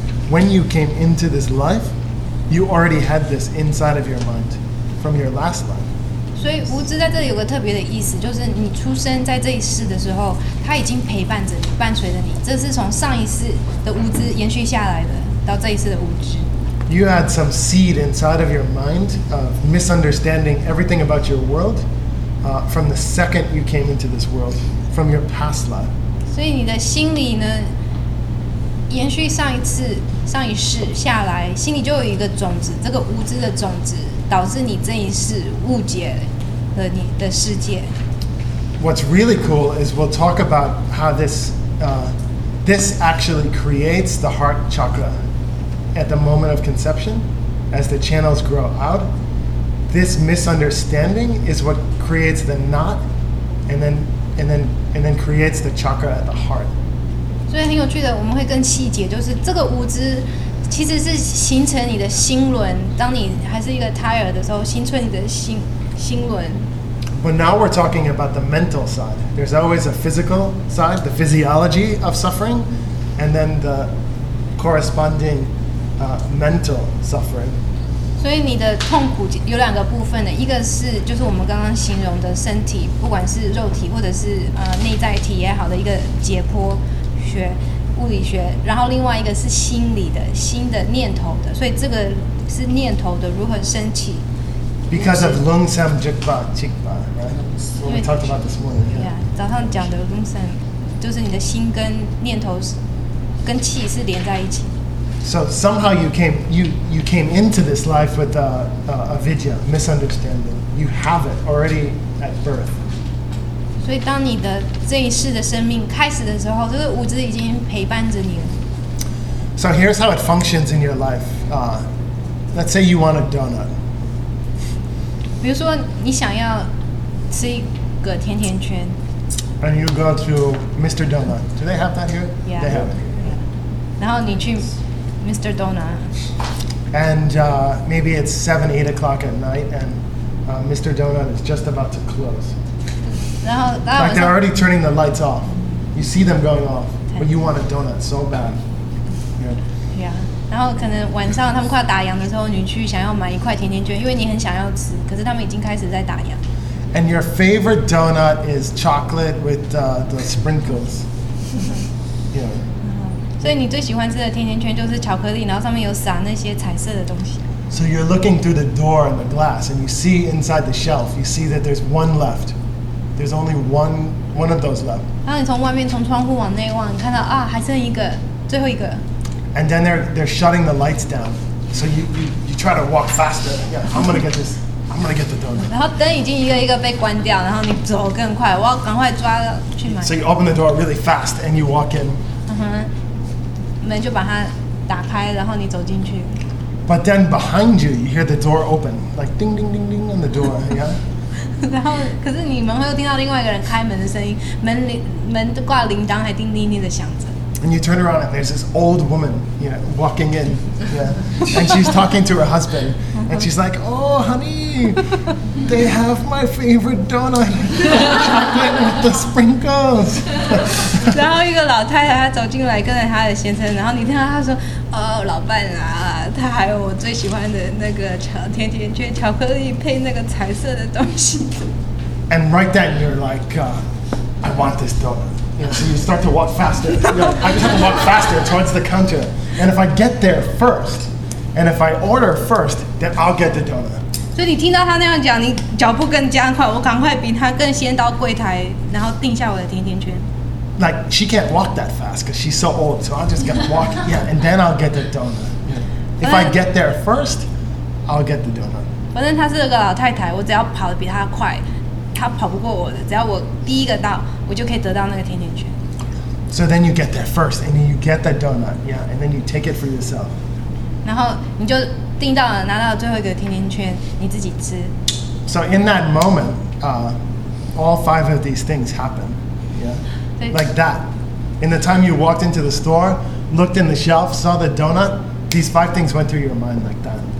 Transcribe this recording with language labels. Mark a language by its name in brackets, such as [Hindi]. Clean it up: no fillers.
[English] When you came into this life, you already had this inside of your mind from your last life. [Chinese] 所以无知在这里有个特别的意思，就是你出生在这一世的时候，他已经陪伴着你，伴随着你，这是从上一世的无知延续下来的到这一世的无知。 [English] You had some seed inside of your mind of misunderstanding everything about your world, from the second you came into this world, from your past life. [Chinese] 所以你的心里呢，延续上一次、上一世下来，心里就有一个种子，这个无知的种子，导致你这一世误解了你的世界。 [English] What's really cool is we'll talk about how this, this actually creates the heart chakra. At the moment of conception, as the channels grow out, this misunderstanding is what creates the knot, and then creates the chakra at the heart. [Chinese] 所以很有趣的，我们会更细节，就是这个无知其实是形成你的心轮。当你还是一个胎儿的时候，形成你的心轮。 [English] But now we're talking about the mental side. There's always a physical side, the physiology of suffering, and then the corresponding. Mental suffering. [Chinese] 所以你的痛苦有两个部分的，一个是就是我们刚刚形容的身体，不管是肉体或者是内在体也好的一个解剖学、物理学，然后另外一个是心理的、心的念头的。所以这个是念头的如何升起。 [English] Because of Lung Sam Jigba, right? What we talked about this morning. [Chinese] Yeah, 早上讲的 Lung Sam 就是你的心跟念头跟气是连在一起。 [English] So somehow you came into this life with avidya, misunderstanding. You have it already at birth. [Chinese] 所以当你的这一世的生命开始的时候，这个无知已经陪伴着你了。 [English] So here's how it functions in your life. Let's say you want a donut. [Chinese] 比如说你想要吃一个甜甜圈。 [English] And you go to Mr. Donut. Do they have that here? Yeah. They have it. [Chinese] Yeah. 然后你去Mr. Donut. [English] And maybe it's 7, 8 o'clock at night and Mr. Donut is just about to close. In fact, they're already turning the lights off. You see them going off, but you want a donut so bad. Yeah. [Chinese] Yeah. 然后可能晚上他们快打烊的时候，你去想要买一块甜甜圈，因为你很想要吃，可是他们已经开始在打烊。 [English] And your favorite donut is chocolate with the sprinkles. Yeah. [Chinese] 所以你最喜欢吃的甜甜圈就是巧克力，然后上面有撒那些彩色的东西。 [English] So you're looking through the door in the glass, and you see inside the shelf, you see that there's one left. There's only one of those left. [Chinese] 然后你从外面从窗户往内望，看到啊，还剩一个，最后一个。 [English] And then they're shutting the lights down, so you try to walk faster. Yeah, I'm gonna get the donut. [Chinese] 然后灯已经一个一个被关掉，然后你走更快，我要赶快抓去买。 [English] So you open the door really fast, and you walk in. [Chinese] 门就把它打开，然后你走进去。 [English] But then behind you, you hear the door open, like ding ding ding ding on the door, yeah. [Chinese] 然后，可是你们会听到另外一个人开门的声音，门挂铃铛还叮叮叮的响着。 [English] And you turn around and there's this old woman, you know, walking in, yeah. And she's talking to her husband, and she's like, "Oh, honey, they have my favorite donut, chocolate with the sprinkles." [Chinese] 然后一个老太太她走进来，跟着她的先生，然后你听到她说，哦，老伴啊，他还有我最喜欢的那个甜甜圈，巧克力配那个彩色的东西。 [English] And right then you're like, I want this donut. Yeah, so you start to walk faster. You know, I just have to walk faster towards the counter. And if I get there first, and if I order first, then I'll get the donut. [Chinese] 所以你听到他那样讲，你脚步更加快，我赶快比他更先到柜台，然后定下我的甜甜圈。 [English] Like she can't walk that fast because she's so old. So I'll just get walk, yeah, and then I'll get the donut. Yeah. If I get there first, I'll get the donut. [Chinese] 反正她是个老太太，我只要跑得比她快。他跑不过我的，只要我第一个到，我就可以得到那个甜甜圈。 [English] So then you get there first, and then you get the donut, yeah, and then you take it for yourself. [Chinese] 然后你就订到了，拿到了最后一个甜甜圈，你自己吃。 [English] So in that moment, all five of these things happen, yeah, like that. In the time you walked into the store, looked in the shelf, saw the donut, these five things went through your mind like that.